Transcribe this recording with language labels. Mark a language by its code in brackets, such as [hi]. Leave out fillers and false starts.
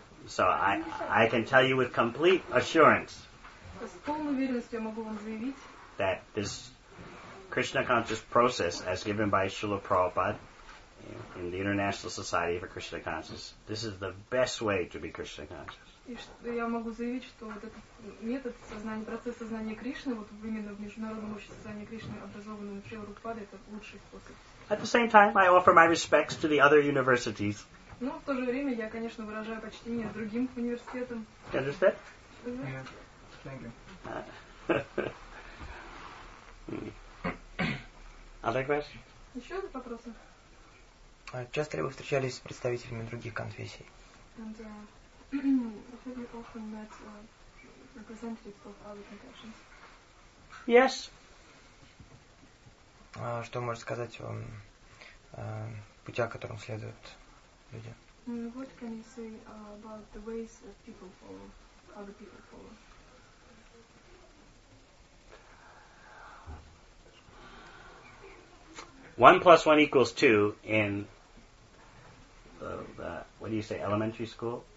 [en] So I can tell you with complete assurance. [ru] С полной уверенностью я могу вам заявить, [en] that this Krishna conscious process as given by Srila Prabhupada in the International Society for Krishna Consciousness, this is the best way to be Krishna conscious. [ru] И что я могу заявить, что вот этот метод сознания, процесс сознания Кришны, вот именно в Международном обществе сознания Кришны, образованном Шрилой Прабхупадой, это лучший способ. [en] At the same time, I offer my respects to the other universities. [ru] Ну, в то же время я, конечно, выражаю почтение другим университетам. [en] You understand? Yeah. Thank you. [ru] Еще один вопрос. Часто ли вы встречались с представителями других конфессий? [en] And have you often met representatives of other confessions? Yes. [ru] Что можете сказать о пути, которым следуют люди? [en] What can you say about the ways that people follow, other people follow? Thank you. 1 plus 1 equals 2 in the, what do you say, elementary school?